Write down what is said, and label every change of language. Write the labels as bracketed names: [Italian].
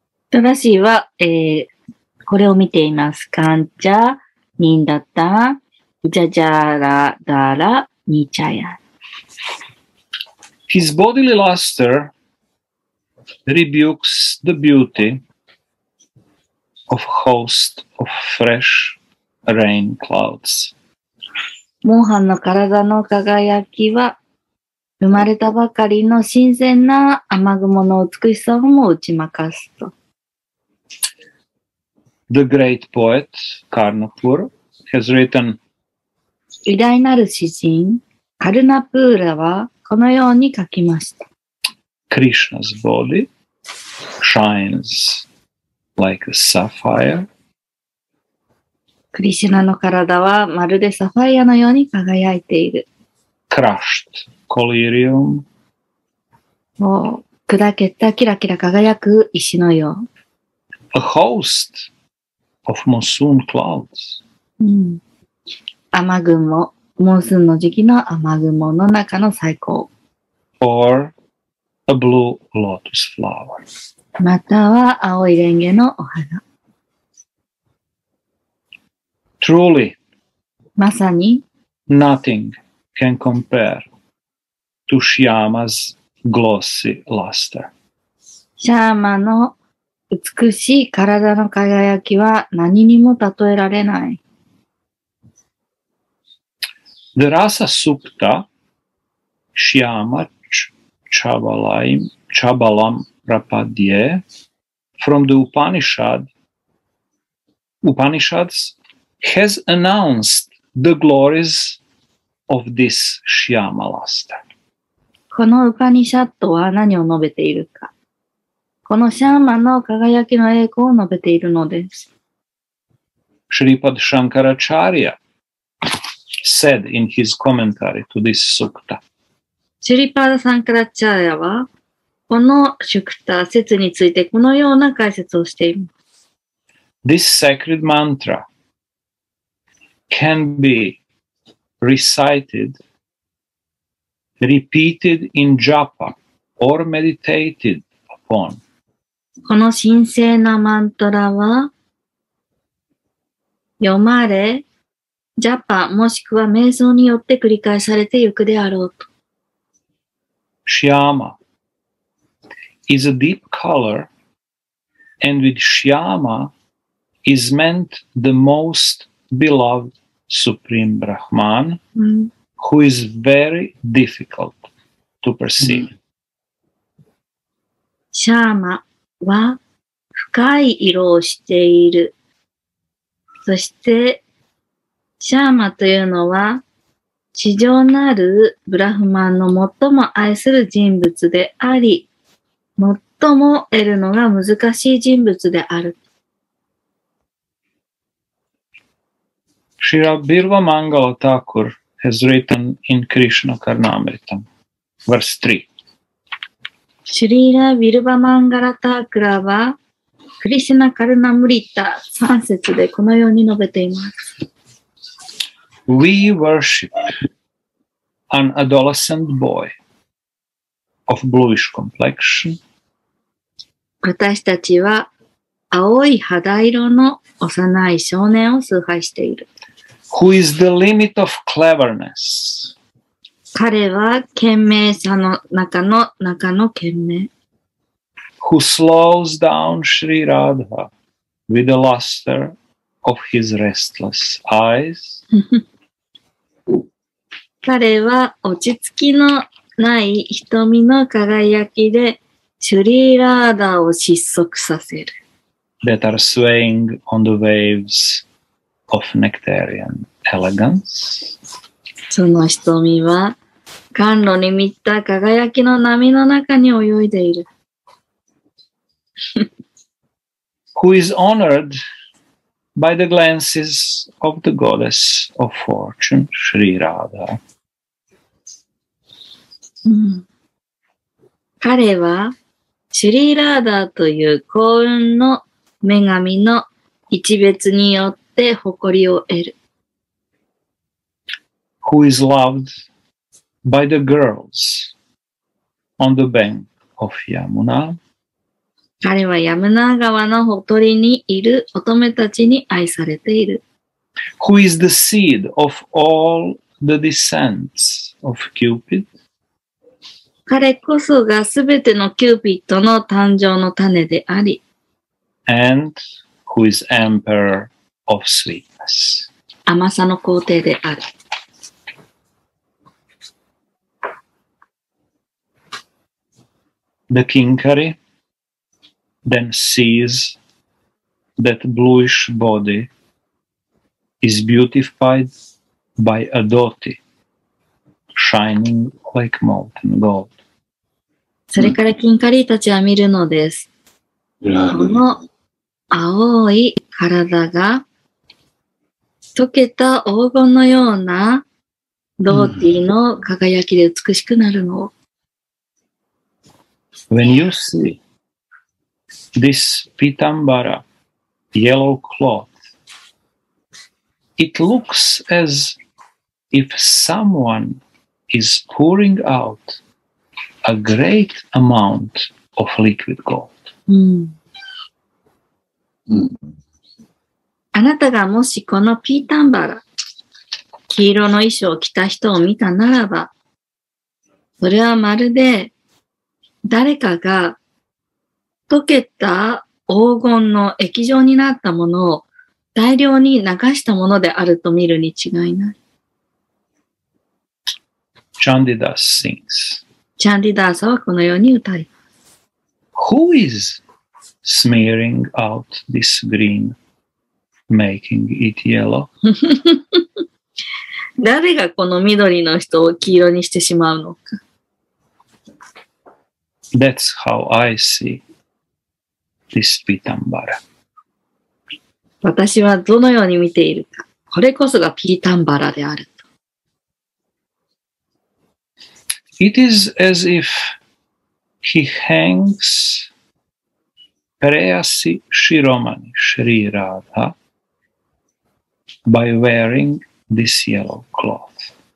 [Japanese] トラシーは、これを見ています。カンチャ、ニンダタ、ジャジャラダラ、ニチャヤ。 [English] His bodily luster rebukes the beauty of host of fresh rain clouds. [Japanese] モーハンの体の輝きは生まれたばかりの新鮮な雨雲の美しさをも打ち負かすと。 [English] The great poet Karnapur has written. [Japanese] 偉大なる詩人カルナプーラはこのように書きました。 [English] Krishna's body shines like a sapphire. [Japanese] クリシナの体はまるでサファイアのように輝いている。 [English] Crushed collyrium. [Japanese] 砕けたキラキラ輝く石のよう。 [English] A host. Of monsoon clouds. [Japanese] 雨雲、モンスーンの時期の雨雲の中の最高。 [English] Or a blue lotus flower. [Japanese] または青いレンゲのお花。 [English] Truly, [Japanese] まさに [English] nothing can compare to Shyama's glossy luster. [Japanese] シャーマの美しい体の輝きは何にも例えられない。 [English] The Rasa Supta Shyama Chabalam Prapadye from the Upanishads has announced the glories of this Shyama Luster. [Japanese] このウパニシャットは何を述べているか。このシャーマの輝きの栄光を述べているのです。 [English] Shripad Shankaracharya said in his commentary to this sukta. [Japanese] Shripad Shankaracharya はこのシュクタ説についてこのような解説をしています。 [English] This sacred mantra can be recited, repeated in japa or meditated upon. [Japanese] この神聖なマントラは読まれ、ジャパもしくは瞑想によって繰り返されていくであろうと。 [English] Shyama is a deep color, and with Shyama is meant the most beloved Supreme Brahman, who is very difficult to perceive. [Japanese] Shyama. は深い色をしている。そしてシャーマというのは地上なるブラフマンの最も愛する人物であり、最も得るのが難しい人物である。 [English] Shri Birva Mangala Thakur has written in Krishna Karnamritam, verse 3. [Japanese] シュリーラ・ヴィルヴァ・マンガラ・タークラは、クリシュナ・カルナ・ムリタ三節でこのように述べています。 [English] We worship an adolescent boy of bluish complexion. [Japanese] 私たちは、青い肌色の幼い少年を崇拝している。 [English] Who is the limit of cleverness? [Japanese] 彼は賢明さの中の賢明。 [English] Who slows down Sri Radha with the luster of his restless eyes? [Japanese] 彼は落ち着きのない瞳の輝きでシュリーラーダを失速させる。 [English] That are swaying on the waves of nectarian elegance. [Japanese] その瞳は甘露に満ちた輝きの波の中に泳いでいる。 [English] Who is honored by the glances of the goddess of fortune, Sri Radha?、 [Japanese] うん、彼は、シュリーラーダーという幸運の女神の一別によって誇りを得る。 [English] Who is loved? By the girls on the bank of Yamuna. [Japanese] 彼はヤムナ川のほとりにいる乙女たちに愛されている。 [English] Who is the seed of all the descents of Cupid? [Japanese] 彼こそがすべてのキューピッドの誕生の種であり。 [English] And who is emperor of sweetness? [Japanese] 甘さの皇帝である。 [English] The Kinkari then sees that bluish body is beautified by a dhoti shining like molten gold. [Japanese] それからキンカリーたちは見るのです。この青い体が溶けた黄金のようなドーティの輝きで美しくなるの。 [English] When you see this Pitambara yellow cloth, it looks as if someone is pouring out a great amount of liquid gold. [Japanese] あなたがもしこのピータンバラ、黄色の衣装を着た人を見たならば、それはまるで誰かが溶けた黄金の液状になったものを大量に流したものであると見るに違いない。 [English] Chandidas sings. [Japanese] Chandidas はこのように歌います。 [English] Who is smearing out this green, making it yellow? [Japanese] 誰がこの緑の人を黄色にしてしまうのか。 [English] That's how I see this Pitambara. [Japanese] 私はどのように見ているか。これこそがピータンバラである。 [English] It is as if he hangs Preyasi Shiromani Shri Radha by wearing this yellow cloth.